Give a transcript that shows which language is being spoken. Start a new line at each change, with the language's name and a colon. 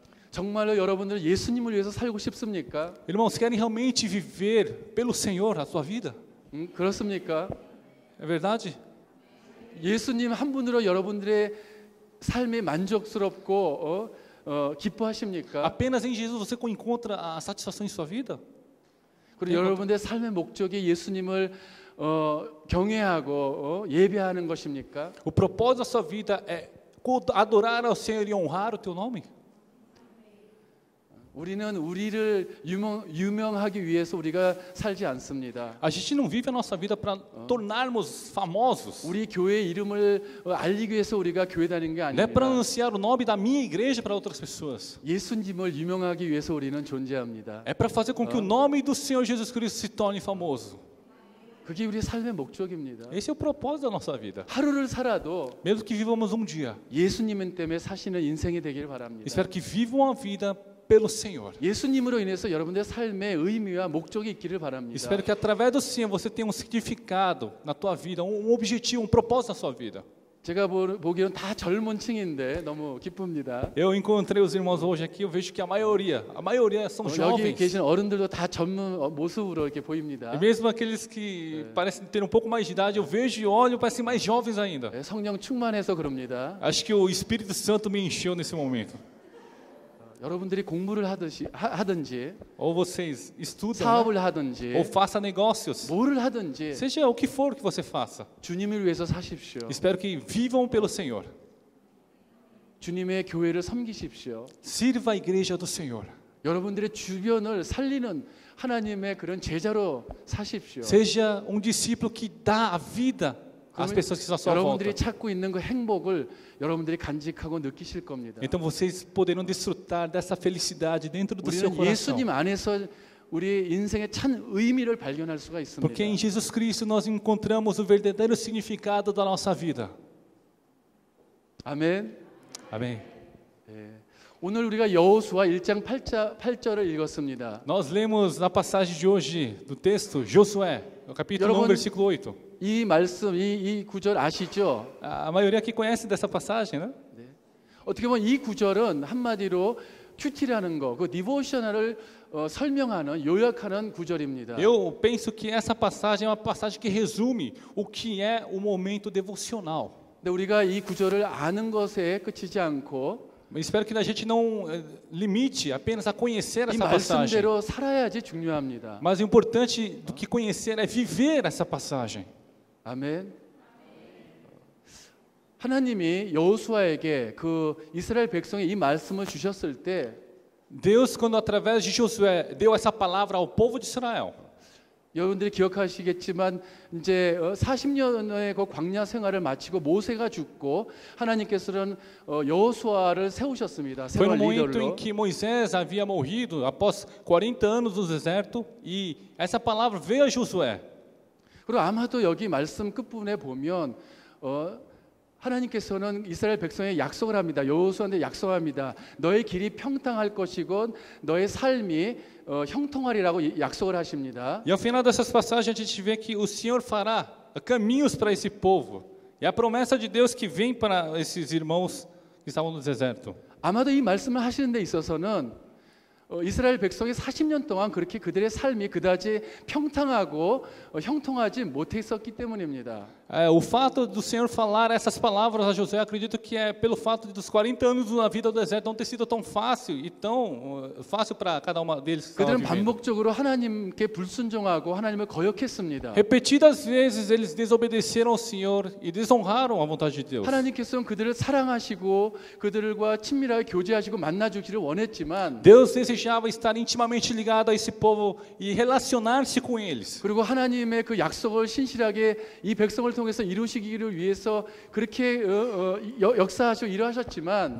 Korean: 정말로 여러분들 예수님을 위해서 살고 싶습니까?
Portuguese: Irmãos, querem realmente viver pelo Senhor a sua vida?
Korean: 그렇습니까?
Portuguese: É verdade?
Korean: 예수님 한 분으로 여러분들의 삶에 만족스럽고 기뻐하십니까?
Portuguese: Apenas em Jesus você encontra a satisfação em sua vida?
Korean: 그리고 여러분들의 삶의 목적이 예수님을 경외하고 예배하는 것입니까?
Portuguese: O propósito da sua vida é adorar ao Senhor e honrar o teu nome?
Korean: 우리는 우리를 유명하기 위해서 우리가 살지 않습니다.
Portuguese: A gente não vive a nossa vida para tornarmos famosos.
Korean: 우리 교회 이름을 알리기 위해서 우리가 교회 다니는 게 아니라.
Portuguese: Não é para anunciar o nome da minha igreja para outras pessoas.
Korean: 예수님을 유명하기 위해서 우리는 존재합니다.
Portuguese: É para fazer com que o nome do Senhor Jesus Cristo se torne famoso.
Korean: 그게 우리의 삶의 목적입니다.
Portuguese: Esse é o propósito da nossa vida.
Korean: 하루를 살아도
Portuguese: mesmo que vivamos um dia.
Korean: 예수님 때문에 사시는 인생이 되기를 바랍니다.
Portuguese: Espero que vivam a vida pelo Senhor.
Korean: 예수님으로 인해서 여러분들 삶의 의미와 목적이 있기를 바랍니다.
Portuguese: Espero que através do Senhor você tenha um significado na tua vida, um objetivo, um propósito na sua vida.
Korean: 제가 보기에는 다 젊은 층인데 너무 기쁩니다.
Portuguese: Eu encontrei os irmãos hoje aqui, eu vejo que a maioria são jovens.
Korean: 여기 계신 어른들도 다 젊은 모습으로 이렇게 보입니다.
Portuguese: Mesmo aqueles que parecem ter um pouco mais de idade, eu vejo e olho parecem mais jovens ainda.
Korean: 성령 충만해서 그럽니다.
Portuguese: Acho que o Espírito Santo me encheu nesse momento.
Korean: 여러분들이 공부를 하든지
Portuguese: ou vocês estudam,
Korean: 사업을 하든지
Portuguese: ou faça negócios,
Korean: 뭐를 하든지
Portuguese: seja o que for que você faça,
Korean: 주님을 위해서 사십시오.
Portuguese: Espero que vivam pelo Senhor.
Korean: 주님의 교회를 섬기십시오.
Portuguese: Sirva a igreja do Senhor.
Korean: 여러분들의 주변을 살리는 하나님의 그런 제자로 사십시오.
Portuguese: Seja discípulo que dá a vida às pessoas que estão à sua volta.
Korean: 여러분들이 찾고 있는 그 행복을 여러분들이 간직하고 느끼실 겁니다.
Portuguese: Então vocês poderão desfrutar dessa felicidade dentro do seu coração.
Korean: 우리는 예수님 안에서 우리 인생의 찬 의미를 발견할 수가 있습니다.
Portuguese: Porque em Jesus Cristo nós encontramos o verdadeiro significado da nossa vida.
Korean: 아멘. 아멘. 예. 오늘 우리가 여호수아 1장 8절을 읽었습니다.
Portuguese: Nós lemos na passagem de hoje do texto Josué, capítulo 1, versículo 8.
Korean: 이 말씀 이 구절 아시죠?
Portuguese: A maioria aqui conhece dessa passagem, né?
Korean: 네. 어떻게 보면 이 구절은 한마디로 큐티라는 거, 그 디보셔널을 설명하는 요약하는 구절입니다.
Portuguese: Eu penso que essa passagem é uma passagem que resume o que é o momento devocional.
Korean: 근데 우리가 이 구절을 아는 것에 그치지 않고
Portuguese: Espero que a gente não limite apenas a conhecer essa passagem.
Korean: 이 말씀대로 살아야지 중요합니다.
Portuguese: Mas o importante do que conhecer é viver essa passagem.
Korean: 아멘. 하나님이 여호수아에게 그 이스라엘 백성에 이 말씀을 주셨을 때
Portuguese: Deus quando através de Josué deu essa palavra ao povo de Israel.
Korean: 여러분들이 기억하시겠지만 이제 40년의 그 광야 생활을 마치고 모세가 죽고 하나님께서는 여호수아를 세우셨습니다.
Portuguese: Foi no momento em que Moisés havia morrido após 40 anos no deserto e essa palavra veio a Josué.
Korean: 그리고 아마도 여기 말씀 끝부분에 보면 하나님께서는 이스라엘 백성에 약속을 합니다. 여호수아한테 약속합니다. 너의 길이 평탄할 것이고 너의 삶이 형통하리라고 약속을 하십니다.
Portuguese: E ao final dessas passagens a gente vê que o Senhor fará caminhos para esse povo. É a promessa de Deus que vem para esses irmãos que estavam no deserto.
Korean: 아마도 이 말씀을 하시는 데 있어서는 이스라엘 백성이 40년 동안 그렇게 그들의 삶이 그다지 평탄하고 형통하지 못했었기 때문입니다.
Portuguese: O fato do Senhor falar essas palavras a José, acredito que é pelo fato dos 40 anos na vida do deserto não ter sido tão fácil e tão fácil para cada um deles.
Korean: 그들은 반복적으로 하나님께 불순종하고 하나님을 거역했습니다.
Portuguese: Repetidas vezes eles desobedeceram ao Senhor e desonraram a vontade de Deus.
Korean: 하나님께서는 그들을 사랑하시고 그들과 친밀하게 교제하시고 만나주기를 원했지만
Portuguese: Deus desejava estar intimamente ligado a esse povo e relacionar-se com eles.
Korean: 그리고 하나님의 그 약속을 신실하게 이 백성 을 통해서 이루시기를 위해서 그렇게 역사하시고 일하셨지만